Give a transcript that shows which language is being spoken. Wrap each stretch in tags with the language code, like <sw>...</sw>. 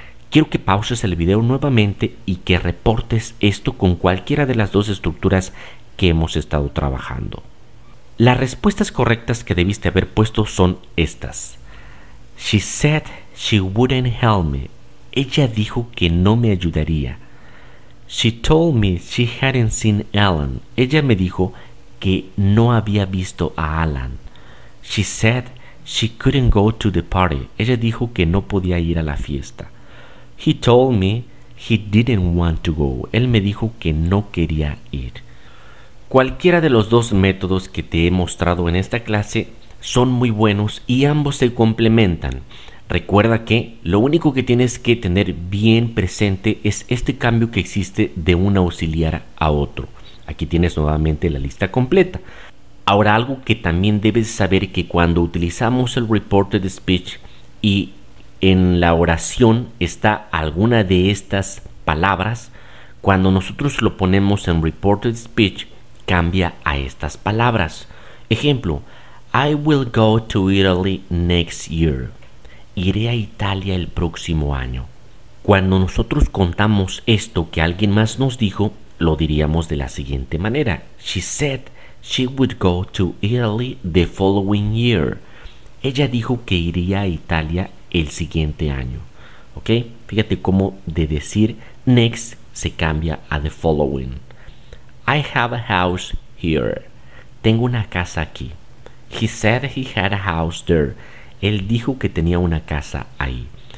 <es>Quiero que pauses el video nuevamente y que reportes esto con cualquiera de las dos estructuras que hemos estado trabajando. Las respuestas correctas que debiste haber puesto son estas.</es> <en>She said she wouldn't help me.</en> <es>Ella dijo que no me ayudaría.</es> <en>She told me she hadn't seen Alan.</en> <es>Ella me dijo que no había visto a Alan.</es> <en>She said she couldn't go to the party.</en> <es>Ella dijo que no podía ir a la fiesta.</es> <en>He told me he didn't want to go.</en> <es>Él me dijo que no quería ir. Cualquiera de los dos métodos que te he mostrado en esta clase son muy buenos y ambos se complementan. Recuerda que lo único que tienes que tener bien presente es este cambio que existe de un auxiliar a otro. Aquí tienes nuevamente la lista completa. Ahora, algo que también debes saber, que cuando utilizamos el reported speech y en la oración está alguna de estas palabras, cuando nosotros lo ponemos en reported speech, cambia a estas palabras.</es> <en>Ejemplo, I will go to Italy next year.</en> <es>Iré a Italia el próximo año. Cuando nosotros contamos esto que alguien más nos dijo, lo diríamos de la siguiente manera.</es> <en>She said she would go to Italy the following year.</en> <es>Ella dijo que iría a Italia el siguiente año. ¿Ok? Fíjate cómo de decir next se cambia a the following.</es> <en>I have a house here.</en> <es>Tengo una casa aquí.</es> <en>He said he had a house there.</en> <es>Él dijo que tenía una casa ahí.</es>